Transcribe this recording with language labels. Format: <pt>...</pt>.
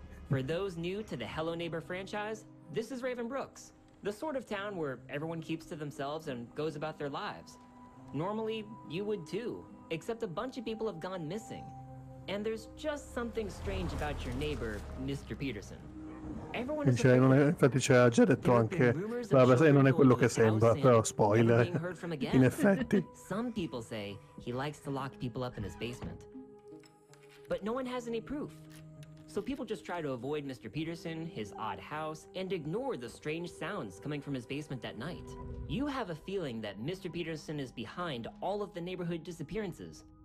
<en>For those new to the Hello Neighbor franchise, this is Raven Brooks, the sort of town where everyone keeps to themselves and goes about their lives. Normally, you would too, except a bunch of people have gone missing. And there's just something strange about your neighbor, Mr. Peterson. Everyone is</en> <it>cioè, infatti ci ha già detto anche, vabbè, se non è quello che sembra, però spoiler. In effetti.</it> <en>Some people say he likes to lock people up in his basement. But no one has any proof. So people just try to avoid Mr. Peterson, his odd house, and ignore the strange sounds coming from his basement at night. You have a feeling that Mr. Peterson is behind all of the neighborhood disappearances.</en>